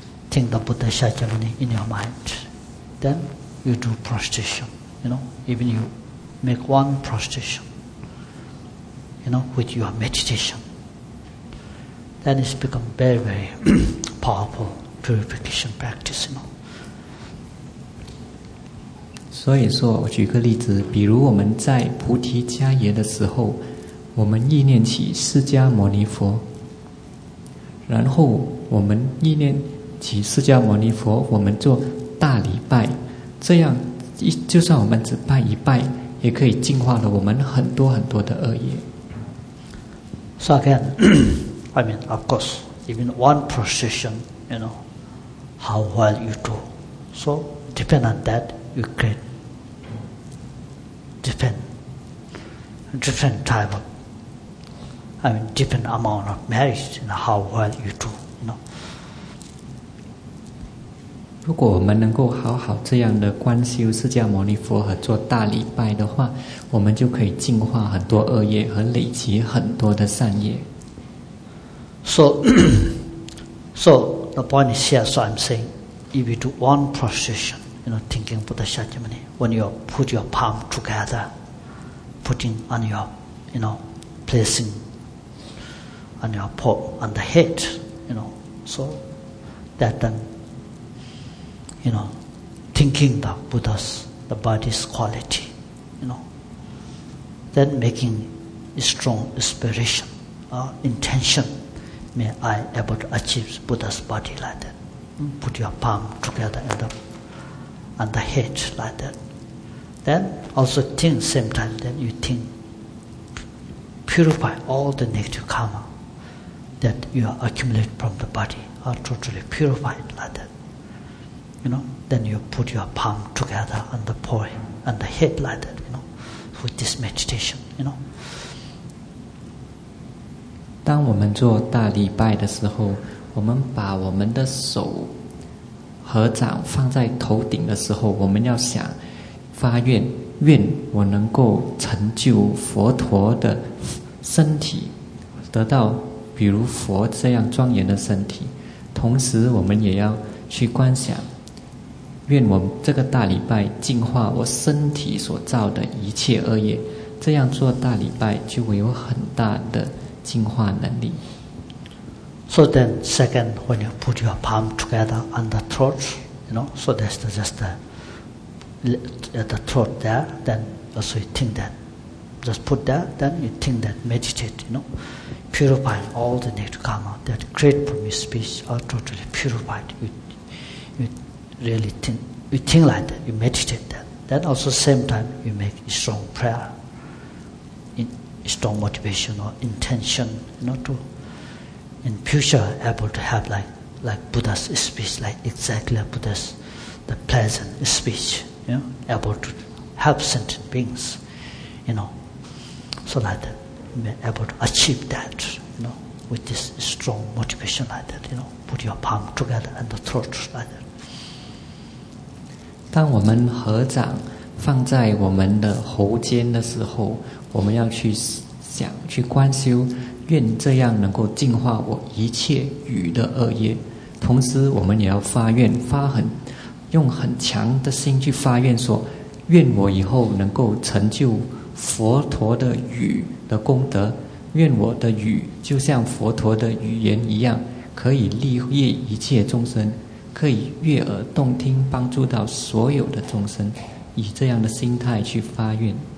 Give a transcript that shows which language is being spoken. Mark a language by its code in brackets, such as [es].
[en] Think the Buddha Shakyamuni in your mind. Then you do prostration, you know, even you make one prostration, you know, with your meditation. Then it's become very, very powerful purification practice, you know. [zh] 所以说，我举个例子，比如我们在菩提迦耶的时候，我们意念起释迦牟尼佛，然后我们意念起释迦牟尼佛，我们做大礼拜，这样就算我们只拜一拜，也可以净化了我们很多很多的恶业。 [en] So again, I mean, of course, even one procession, you know, how well you do, so depend on that. You create different type of, I mean, different amount of merit in how well you do, you know. [zh] 如果我们能够好好这样的观修释迦牟尼佛和做大礼拜的话，我们就可以净化很多恶业和累积很多的善业。 [en] So the point is here, so I'm saying, if you do one procession,You know, thinking Buddha Shakyamuni, when you put your palm together, putting on your, you know, placing on your pole, on the head, you know, so that then, you know, thinking the Buddha's, the body's quality, you know, then making a strong aspiration, intention, may I able to achieve Buddha's body like that. Put your palm together and on the head like that. Then also think same time, then you think, purify all the negative karma that you accumulate from the body, are totally purified like that. You know, then you put your palm together on the pole, on the head like that, you know, with this meditation, you know. [zh] 当我们做大礼拜的时候，我们把我们的手合掌放在头顶的时候，我们要想发愿，愿我能够成就佛陀的身体，得到比如佛这样庄严的身体。同时我们也要去观想，愿我这个大礼拜净化我身体所造的一切恶业，这样做大礼拜就会有很大的净化能力。 [en] So then, second, when you put your palm together on the throat, you know, so there's just the throat there, then also you think that. Just put that, then you think that, meditate, you know, purifying all the negative karma, that great from your speech are totally purified. You really think, you think like that, you meditate that. Then also, same time, you make a strong prayer, a strong motivation or intention, you know, to. In future, able to have like Buddha's speech, like exactly Buddha's, the pleasant speech, you know, able to help sentient beings, you know, so like that, able to achieve that, you know, with this strong motivation like that, you know, put your palm together and the throat like that. [zh] 当我们合掌放在我们的喉间的时候，我们要去想去观修。愿这样能够净化我一切语的恶业，同时我们也要发愿，用很强的心去发愿说，愿我以后能够成就佛陀的语的功德，愿我的语就像佛陀的语言一样，可以利益一切众生，可以悦耳动听，帮助到所有的众生，以这样的心态去发愿。